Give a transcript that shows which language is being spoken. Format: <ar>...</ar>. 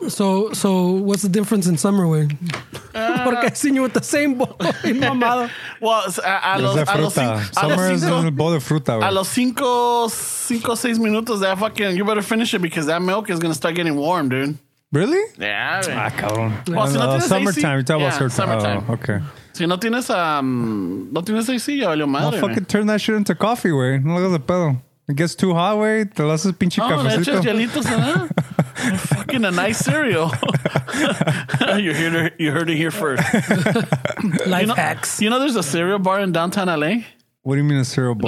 <en>So, what's the difference in summer, güey? Porque I seen you with the same bowl.</en> <es>Mamado.</es> <en>Well,</en> <es>a los cinco o seis minutos,</es> <en>that fucking, you better finish it because that milk is going to start getting warm, dude. Really? Yeah.</en> <es>Ah, cabrón.</es> <en>Well, so no summertime. You talk about summertime. Summertime. Oh, okay.</en> <es>Si no tienes no tienes AC, ya valió madre.</es> <en>I'll fucking turn that shit into coffee, güey.</en> <es>No hagas de pedo.</es> <en>It gets too hot,</en> <es>güey. Te lo haces pinche cafecito. No, le echas hielitos, ¿eh?</es> <en>Fucking a nice cereal. You heard it here first. Life hacks. You know there's a cereal bar in downtown LA? What do you mean a cereal bar?</en>